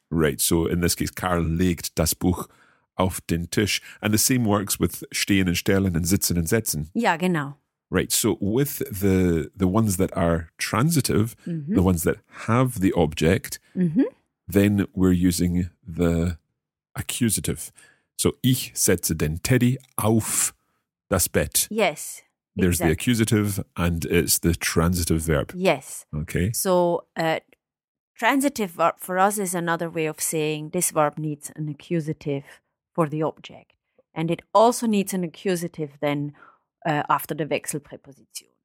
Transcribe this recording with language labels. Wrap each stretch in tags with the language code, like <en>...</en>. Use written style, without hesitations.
<en>Right, so in this case,</en> <de>Karl legt das Buch auf den Tisch.</de> <en>And the same works with stehen and stellen and sitzen and setzen.</en> <de>Ja, genau.</de> <en>Right. So with the ones that are transitive, mm-hmm. the ones that have the object, mm-hmm. then we're using the accusative.</en> <de>So ich setze den Teddy auf das Bett.</de> <en>Yes. There's exactly. the accusative and it's the transitive verb. Yes. Okay. So transitive verb for us is another way of saying this verb needs an accusative for the object. And it also needs an accusative then after the Wechselpräposition.</en>